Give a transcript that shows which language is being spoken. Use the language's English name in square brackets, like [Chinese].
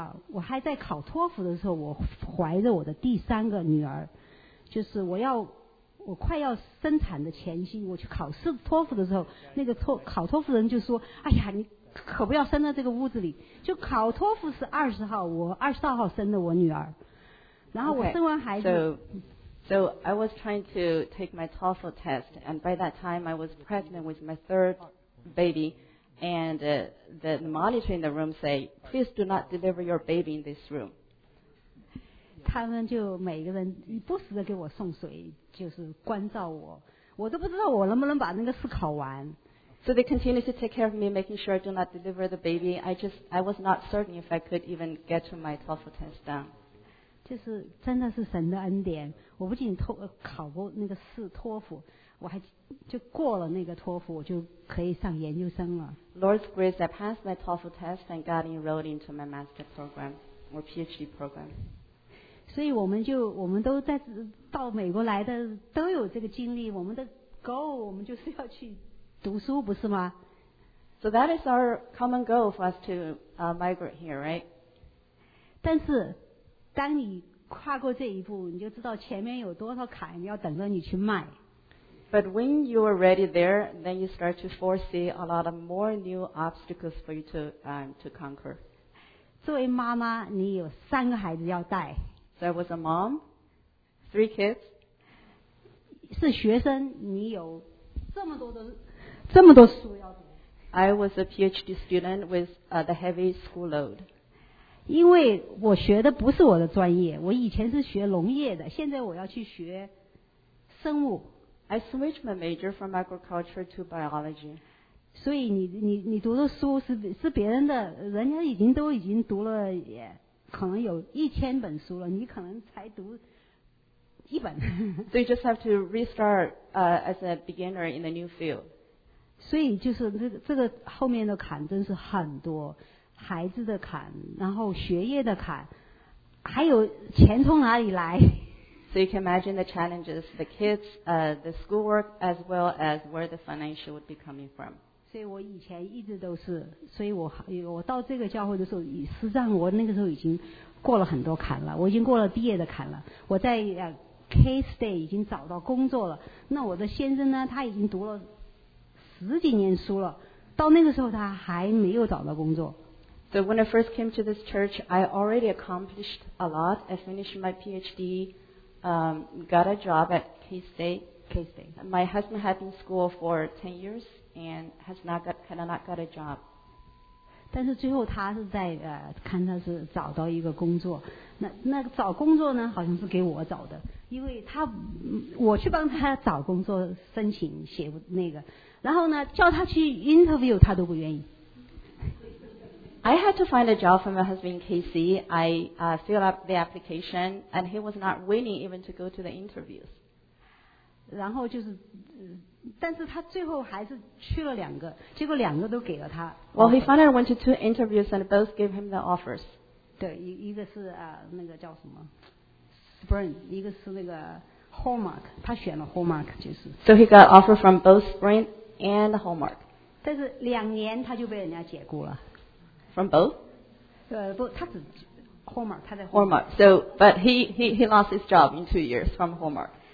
[Chinese] 我还在考托福的时候，我怀着我的第三个女儿，就是我快要生产的前夕，我去考试托福的时候，那个考托福的人就说，哎呀，你可不要生在这个屋子里，就考托福是20号，我22号生的我女儿，然后我生完孩子。 [English] So I was trying to take my TOEFL test, and by that time I was pregnant with my third baby, and the monitor in the room say, please do not deliver your baby in this room. [Chinese] 他们就每个人不时的给我送水，就是关照我，我都不知道我能不能把那个试考完。 [English] So they continued to take care of me, making sure I do not deliver the baby. I was not certain if I could even get to my TOEFL test done. [Chinese] 就是真的是神的恩典，我不仅考过那个试托福，我还就过了那个托福，我就可以上研究生了。 [English] Lord's grace, I passed my TOEFL test and got enrolled into my master program or PhD program. [Chinese] 所以我们都在到美国来的都有这个经历，我们的 goal 我们就是要去读书，不是吗 [English] ？So that is our common goal for us to migrate here, right? [Chinese] 但是当你跨过这一步，你就知道前面有多少坎要等着你去迈。 [English] But when you are ready there, then you start to foresee a lot of more new obstacles for you to conquer. [Chinese] 作为妈妈，你有三个孩子要带。 [English] So I was a mom, 3 kids. [Chinese] 是学生，你有这么多书要读。 [English] I was a PhD student with the heavy school load. [Chinese] 因为我学的不是我的专业，我以前是学农业的，现在我要去学生物。 [English] I switched my major from agriculture to biology. [Chinese] 所以你读的书是别人的，人家已经读了也可能有一千本书了，你可能才读一本。 [English] So you just have to restart as a beginner in a new field. [Chinese] 所以就是这个后面的坎真是很多，孩子的坎，然后学业的坎，还有钱从哪里来。 [English] So you can imagine the challenges, the kids, the schoolwork, as well as where the financial would be coming from. [Chinese] 所以我以前一直都是，所以我到这个教会的时候，实际上我那个时候已经过了很多坎了，我已经过了毕业的坎了。我在case day 已经找到工作了。那我的先生呢，他已经读了十几年书了，到那个时候他还没有找到工作。 [English] So when I first came to this church, I already accomplished a lot. I finished my PhD. Got a job at K-State. My husband had been in school for 10 years and had not got a job. [Chinese] 但是最后他是在看他是找到一个工作。那找工作呢好像是给我找的。因为他我去帮他找工作申请写那个。然后呢叫他去 interview 他都不愿意。 [English] I had to find a job for my husband, Casey. I filled up the application, and he was not willing even to go to the interviews. [Chinese] 然后就是，但是他最后还是去了两个，结果两个都给了他。 [English] Well, he finally went to two interviews, and both gave him the offers. [Chinese] 对，一个是那个叫什么 ，Spring， 一个是那个 Hallmark， 他选了 Hallmark 就是。 [English] So he got offer from both Spring and Hallmark. [Chinese] 但是两年他就被人家解雇了。 [English] From both? [Chinese] 不，他只 Hallmark， 他在 Hallmark。 [English] So, but he lost his job in 2 years from Hallmark.